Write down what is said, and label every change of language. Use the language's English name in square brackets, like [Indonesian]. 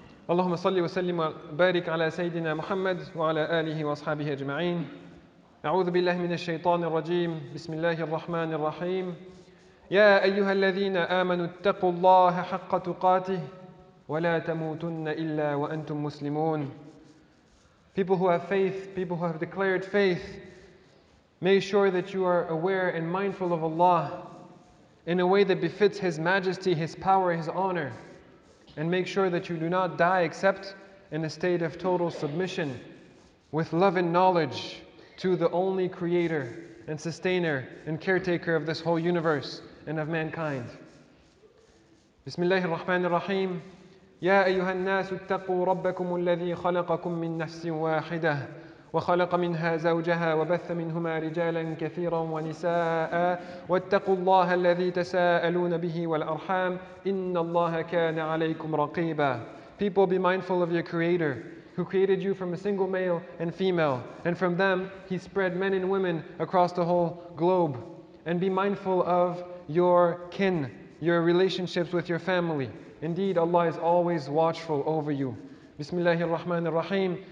[Arabic] اللهم صل وسلم وبارك على سيدنا محمد وعلى آله وأصحابه أجمعين أعوذ بالله من الشيطان الرجيم بسم الله الرحمن الرحيم يا أيها الذين آمنوا اتقوا الله حق تقاته ولا تموتن إلا وأنتم مسلمون. [English] People who have faith, people who have declared faith, make sure that you are aware and mindful of Allah in a way that befits His majesty, His power, His honor. And make sure that you do not die except in a state of total submission, with love and knowledge to the only creator and sustainer and caretaker of this whole universe and of mankind. [Arabic] Bismillahir Rahmanir Rahim. يا أيها الناس اتقوا ربكم الذي خلقكم من نفس واحدة وخلق منها زوجها وبث منهما رجالا كثيرا ونساء واتقوا الله الذي تساءلون به والأرحام إن الله كان عليكم رقيبا. [English] People, be mindful of your Creator, who created you from a single male and female, and from them He spread men and women across the whole globe. And be mindful of your kin, your relationships with your family. Indeed, Allah is always watchful over you. [Arabic] Bismillahir Rahmanir Rahim.